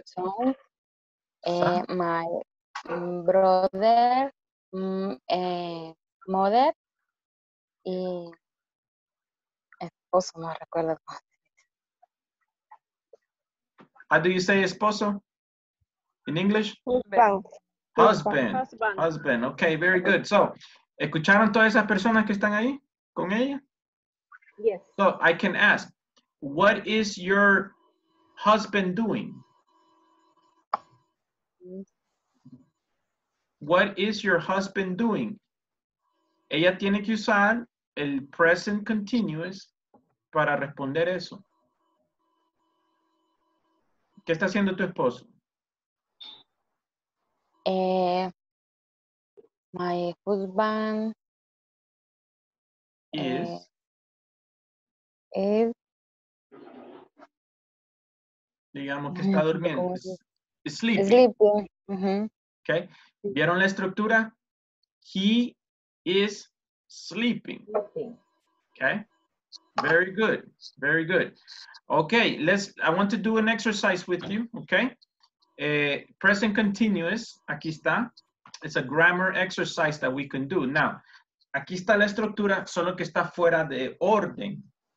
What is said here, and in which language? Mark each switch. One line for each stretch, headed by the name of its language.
English: Son. My brother, mother,
Spanish: y esposo, no recuerdo.
English: How do you say esposo in English? Husband. Okay, very good.
Spanish: So, ¿escucharon todas esas personas que están ahí con ella?
English: Yes. So, I can ask, what is your husband doing? What is your husband doing?
Spanish: Ella tiene que usar el present continuous para responder eso. ¿Qué está haciendo tu esposo?
English: My husband
Spanish: is digamos que está durmiendo. Sleeping. Mm-hmm.
English: Okay.
Spanish: ¿Vieron la estructura?
English: He is sleeping. Okay. Very good. Very good. Okay. I want to do an exercise with you. Okay. Present continuous.
Spanish: Aquí está.
English: It's a grammar exercise that we can do.
Spanish: Now, aquí está la estructura, solo que está fuera de orden.